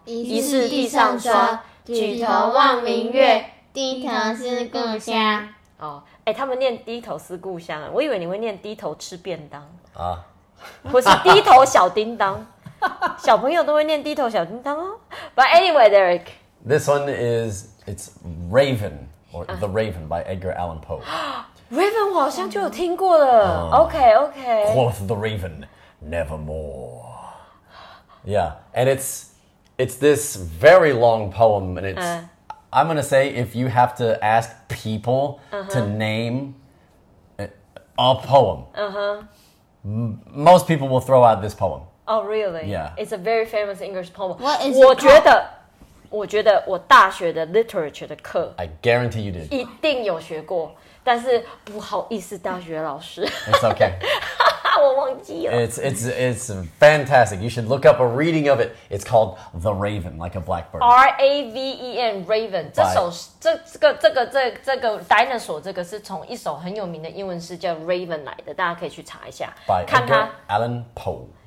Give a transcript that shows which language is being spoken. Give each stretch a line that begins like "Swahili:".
Chinese: 疑是地上霜。举头望明月，低头思故乡。哦，哎，他们念低头思故乡，我以为你会念低头吃便当啊，或是低头小叮当。小朋友都会念低头小叮当哦。
English: But anyway, Derek, this one is it's Raven or The Raven by Edgar Allan Poe.
Chinese: Raven, 我好像就有听过了。OK.
English: Quoth the Raven, "Nevermore." Yeah, and it's this very long poem, and it's, I'm going to say, if you have to ask people to name a poem, most people will throw out this poem. Oh, really? Yeah. It's a very famous English poem. What is
Chinese: 我觉得我大学的 literature 的课
English: I guarantee you did.
Chinese: 一定有学过,但是不好意思大学老师
English: It's okay.
Chinese: 我忘记了
English: It's fantastic. You should look up a reading of it. It's called The Raven, like a blackbird.
Chinese: R-A-V-E-N, Raven. 这首这个 dinosaur 这个是从一首很有名的英文诗叫 Raven 来的,大家可以去查一下
English: By Edgar Allan Poe.